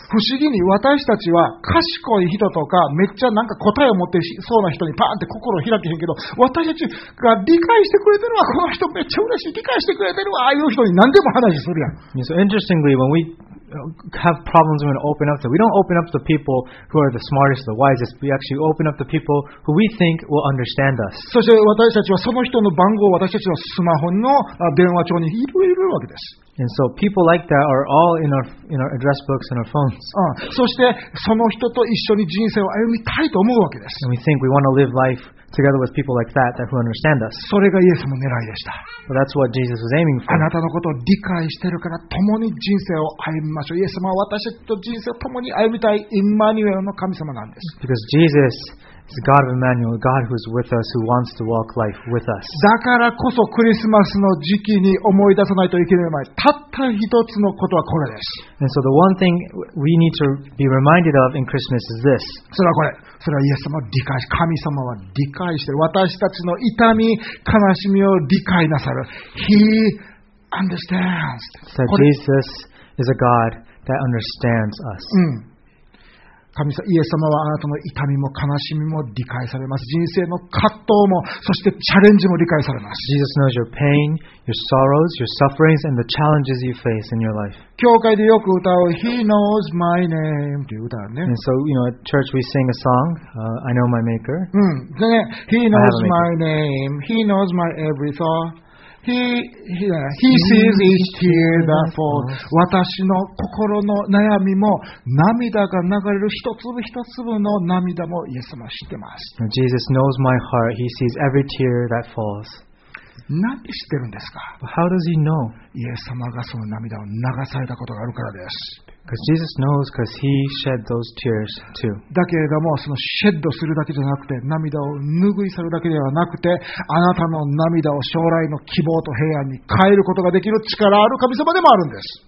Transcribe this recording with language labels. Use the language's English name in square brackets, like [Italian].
[Japanese] 不思議に私たちは賢い人とかめっちゃなんか答えを持ってしそうな人にパーンって心を開けへんけど、私たちが理解してくれてるわ、この人めっちゃ嬉しい、理解してくれてるわ、ああいう人に何でも話するやん。 [English] So interestingly, when we have problems, we open up to. We don't open up to people who are the smartest, the wisest. We actually open up to people who we think will understand us. [Japanese] そして私たちはその人の番号を私たちのスマホの電話帳に入れるわけです。 [English] And so people like that are all in our address books and our phones. [Japanese] そしてその人と一緒に人生を歩みたいと思うわけです。 [English] And we think we want to live life together with people like that who understand us. [Japanese] それがイエスの狙いでした。 [English] But that's what Jesus was aiming for. [Japanese] あなたのことを理解してるから共に人生を歩みましょう。イエス様は私と人生を共に歩みたいイマニュエルの神様なんです。 [English] Because Jesus is the God of Emmanuel, God who's with us, who wants to walk life with us. [Japanese] だからこそクリスマスの時期に思い出さないといけない。たった一つのことはこれです。 [English] And so the one thing we need to be reminded of in Christmas is this. [Japanese] それはこれ。それはイエス様は理解し、神様は理解して、私たちの痛み、悲しみを理解なさる。 [English] He understands. So Jesus is a God that understands us. [Japanese] 神様、イエス様はあなたの痛みも悲しみも理解されます。人生の葛藤も、そしてチャレンジも理解されます。 [English] Jesus knows your pain, your sorrows, your sufferings, and the challenges you face in your life. [Japanese] 教会でよく歌う [English] He knows my name [Japanese] という歌ね。 [English] And so, you know, at church we sing a song, I know my maker. でね、He knows my name, He knows my every thought. He sees each tear that falls. [Japanese] 私の心の悩みも涙が流れる一粒一粒の涙もイエス様は知ってます。 [English] Jesus knows my heart. He sees every tear that falls. [Japanese] なんで知ってるんですか? [English] How does he know? [Japanese] イエス様がその涙を流されたことがあるからです。 [English] Because Jesus knows, because he shed those tears too. [Japanese] だけれども、そのシェッドするだけじゃなくて、涙を拭い去るだけではなくて、あなたの涙を将来の希望と平安に変えることができる力ある神様でもあるんです。